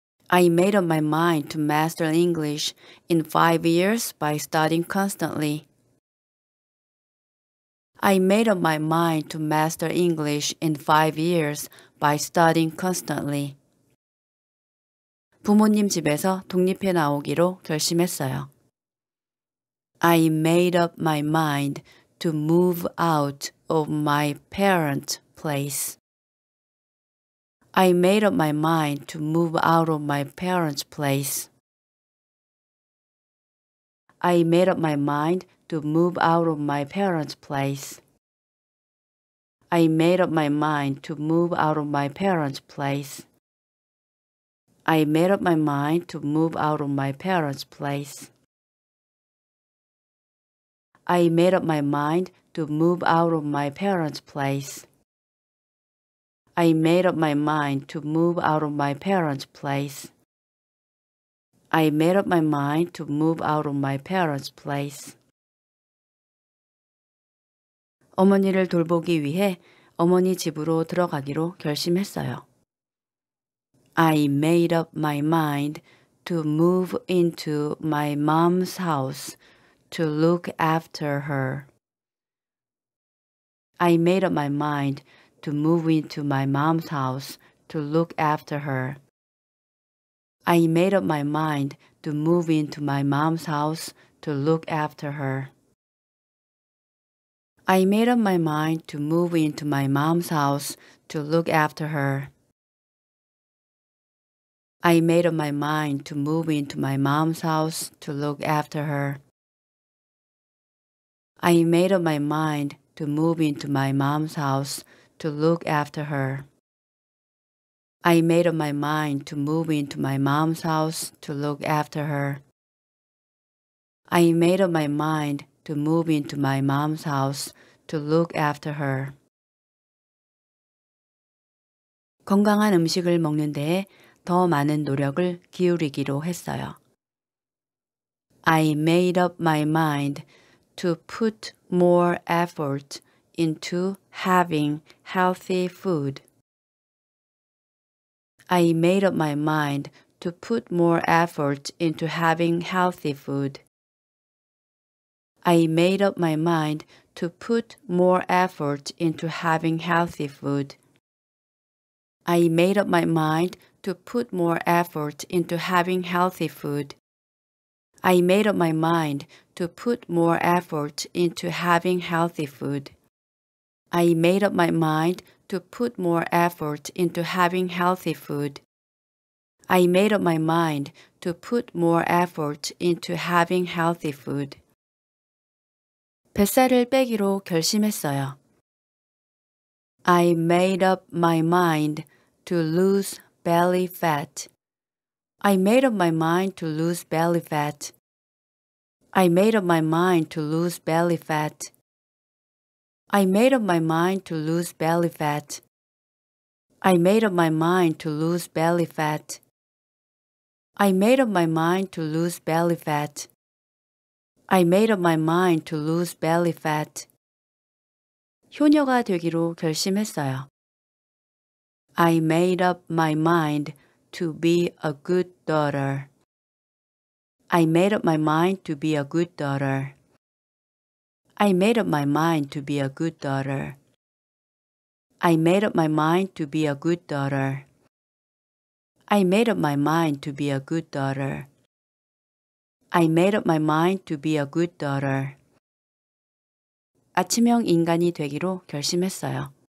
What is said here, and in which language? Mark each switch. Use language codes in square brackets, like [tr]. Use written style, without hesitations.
[en] I made up my mind to master English in 5 years by studying constantly. I made up my mind to master English in 5 years by studying constantly. [ko] 부모님 집에서 독립해 나오기로 결심했어요. [en] I made up my mind to move out of my parents' place. I made up my mind to move out of my parents' place. I made up my mind to move out of my parents' place. I made up my mind to move out of my parents' place. I made up my mind to move out of my parents' place. I made up my mind to move out of my parents' place. I made up my mind to move out of my parents' place. I made up my mind to move out of my parents' place. [ko] 어머니를 돌보기 위해 어머니 집으로 들어가기로 결심했어요. [en] I made up my mind to move into my mom's house to look after her. I made up my mind to move into my mom's house to look after her. I made up my mind to move into my mom's house to look after her. I made up my mind to move into my mom's house to look after her. I made up my mind to move into my mom's house to look after her. I made up my mind to move into my mom's house to look after her. I made up my mind to move into my mom's house to look after her. I made up my mind to move into my mom's house to look after her. [ko] 건강한 음식을 먹는 데에 더 많은 노력을 기울이기로 했어요. [en] I made up my mind to put more effort into having healthy food. I made up my mind to put more effort into having healthy food. I made up my mind to put more effort into having healthy food. I made up my mind to put more effort into having healthy food. I made up my mind to put more effort into having healthy food. I made up my mind to put more effort into having healthy food. I made up my mind to put more effort into having healthy food. [ko] 뱃살을 빼기로 결심했어요. [en] I made up my mind to lose belly fat. I made up my mind to lose belly fat. I made up my mind to lose belly fat. I made up my mind to lose belly fat. I made up my mind to lose belly fat. I made up my mind to lose belly fat. I made up my mind to lose belly fat. [ko] 효녀가 되기로 결심했어요. [en] I made up my mind to be a good daughter. I made up my mind to be a good daughter. I made up my mind to be a good daughter. I made up my mind to be a good daughter. I made up my mind to be a good daughter. I made up my mind to be a good daughter. [ko] 아침형 인간이 되기로 결심했어요.